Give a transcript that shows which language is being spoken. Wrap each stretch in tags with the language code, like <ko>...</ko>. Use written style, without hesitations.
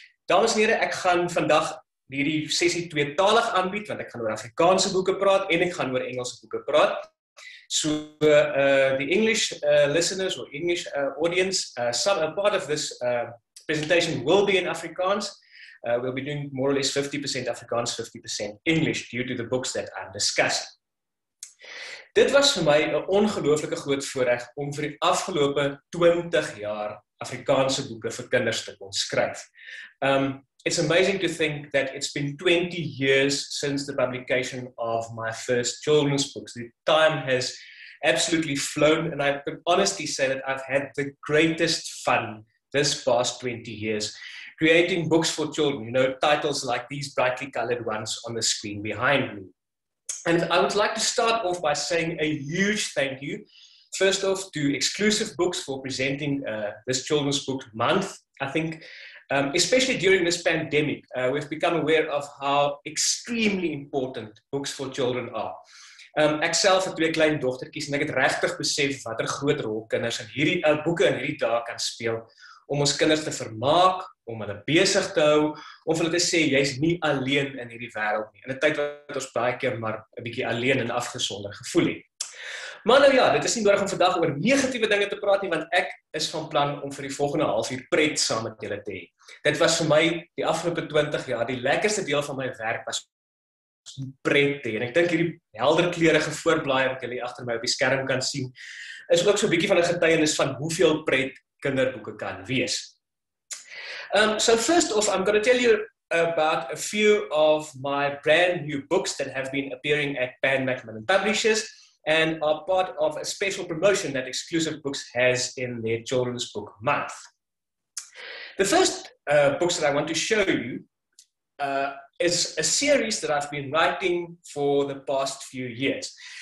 <af>Dames en heren, ek gaan vandag hierdie sessie tweetalig aanbied, want ek gaan oor Afrikaanse boeken praat en ek gaan oor Engelse boeken praat.</af> <en>So the English listeners or English audience, a part of this presentation will be in Afrikaans. We'll be doing more or less 50% Afrikaans, 50% English due to the books that I'm discussing.</en> <af>Dit was vir my 'n ongelooflike groot voorreg om vir die afgelope 20 jaar Afrikaanse boeke vir kinders te kon skryf.</af> <en>It's amazing to think that it's been 20 years since the publication of my first children's books. The time has absolutely flown, and I can honestly say that I've had the greatest fun this past 20 years creating books for children, you know, titles like these brightly colored ones on the screen behind me. And I would like to start off by saying a huge thank you, first off, to Exclusive Books for presenting this children's book month. I think especially during this pandemic, we've become aware of how extremely important books for children are.</en> <af>Ek self het twee klein dogtertjies en ek het regtig besef watter groot rol kinders in hierdie boeke in hierdie dae kan speel om ons kinders te vermaak, om hulle besig te hou, om hulle te sê jy's nie alleen in hierdie wêreld nie. In 'n tyd wat ons baie keer maar 'n bietjie alleen en afgesonder gevoel het. Maar nou ja, dit is nie nodig om vandag oor negatiewe dinge te praat nie, want ek is van plan om vir die volgende halfuur pret saam met julle te hê. Dit was vir my die afgelope 20 jaar die lekkerste deel van my werk was pret te hê. En ek dink hierdie helderkleurige voorblaai wat julle agter my op die skerm kan sien, is ook so 'n bietjie van 'n getuienis van hoeveel pret kinderboeke kan wees.</af> <en>So first off, I'm going to tell you about a few of my brand new books that have been appearing at Pan Macmillan Publishers and are part of a special promotion that Exclusive Books has in their Children's Book Month. The first books that I want to show you is a series that I've been writing for the past few years.</en>